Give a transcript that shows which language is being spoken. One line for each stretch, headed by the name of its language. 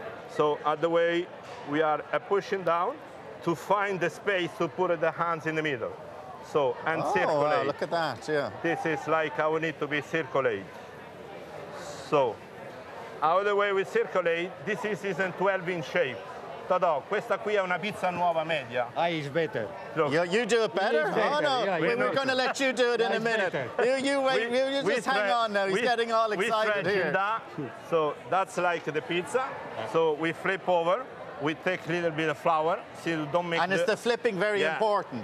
English: So other way, we are pushing down to find the space to put the hands in the middle. And circulate. Wow, look at that, yeah. This is like how we need to be circulate. So, out of the way we circulate, this is a 12-inch shape.
Italian: Toto, questa qui è una pizza nuova media.
English: Ah, it's better. You do it better? We're going to let you do it in a minute. You just hang on now. He's getting all excited here. So, that's like the pizza. So, we flip over. We take a little bit of flour, so you don't make. And it's the flipping very important.